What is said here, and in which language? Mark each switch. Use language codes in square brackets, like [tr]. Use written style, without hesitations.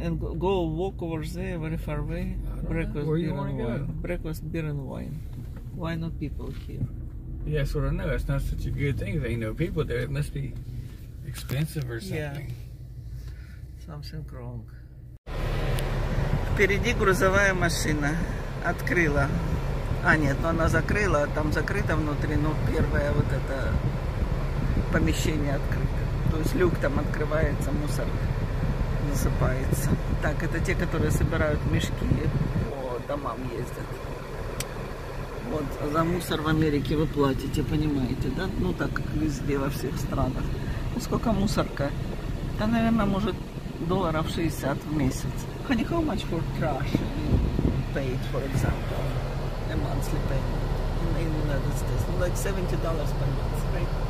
[en] And go walk over there, very far away. Breakfast, where you wanna go? Breakfast, beer and wine. Why no people here? Yeah, sort of. No, it's not such a good thing. There ain't no people there. It must be expensive or something. Yeah. Something wrong. [ru] Впереди грузовая машина. Открыла. А, нет, но она закрыла, там закрыто внутри, но первое вот это помещение открыто. То есть люк там открывается, мусор насыпается. Так, это те, которые собирают мешки. О, домам ездят. Вот, а за мусор в Америке вы платите, понимаете, да? Ну, так как везде, во всех странах. Ну, сколько мусорка? Да, наверное, может, долларов 60 в месяц. [en] Honey, how much for trash you paid, for example, a monthly payment in the United States? Ну, like $70 per month, right?